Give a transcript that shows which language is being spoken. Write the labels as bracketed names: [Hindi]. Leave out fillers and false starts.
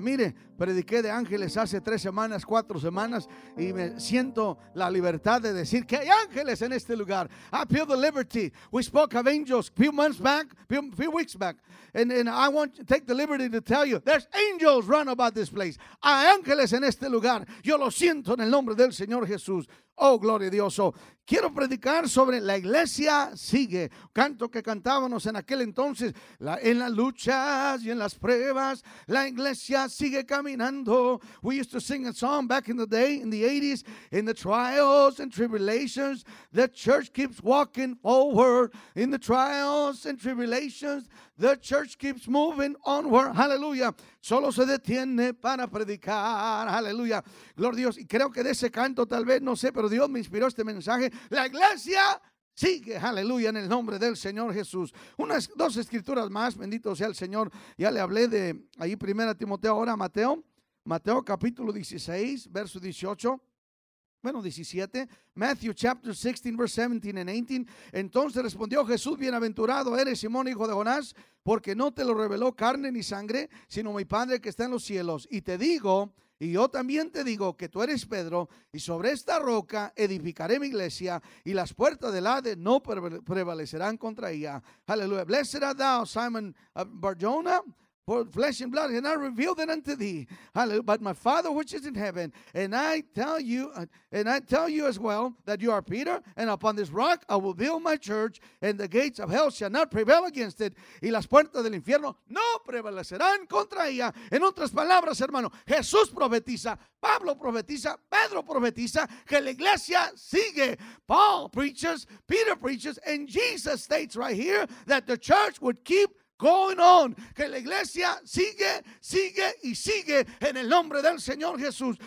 [Spanish] Mire, prediqué de ángeles hace 3 semanas, 4 semanas, y me siento la libertad de decir que hay ángeles en este lugar. [English] I feel the liberty. We spoke of angels a few weeks back. And I want to take the liberty to tell you, there's angels run about this place. [Spanish] Hay ángeles en este lugar. Yo lo siento en el nombre del Señor Jesús. Oh, gloria a Dios. Oh, quiero predicar sobre la iglesia sigue. Canto que cantábamos en aquel entonces. En las luchas y en las pruebas, la iglesia sigue caminando. [English] We used to sing a song back in the day, in the 80s. In the trials and tribulations, the church keeps walking forward. In the trials and tribulations, the church keeps moving onward. [Spanish] Hallelujah. Solo se detiene para predicar. Hallelujah. Gloria a Dios. Y creo que de ese canto, tal vez, no sé, pero Dios me inspiró este mensaje. La iglesia sigue. Hallelujah. En el nombre del Señor Jesús. Unas dos escrituras más. Bendito sea el Señor. Ya le hablé de ahí, primera Timoteo. Ahora Mateo. Mateo capítulo 16, verso 18. Bueno, 17, [English] Matthew chapter 16, verse 17 and 18. [Spanish] Entonces respondió Jesús, bienaventurado eres Simón, hijo de Jonás, porque no te lo reveló carne ni sangre, sino mi Padre que está en los cielos. Y te digo, y yo también te digo, que tú eres Pedro, y sobre esta roca edificaré mi iglesia, y las puertas del Hades no prevalecerán contra ella. [English] Hallelujah. Blessed art thou, Simon Barjona. For flesh and blood, and I revealed it unto thee. Hallelujah. But my Father which is in heaven, and I tell you as well, that you are Peter, and upon this rock I will build my church, and the gates of hell shall not prevail against it, [Spanish] y las puertas del infierno no prevalecerán contra ella. En otras palabras, hermano, Jesús profetiza, Pablo profetiza, Pedro profetiza, que la iglesia sigue. [English] Paul preaches, Peter preaches, and Jesus states right here that the church would keep going on, [Spanish] que la iglesia sigue, sigue y sigue en el nombre del Señor Jesús.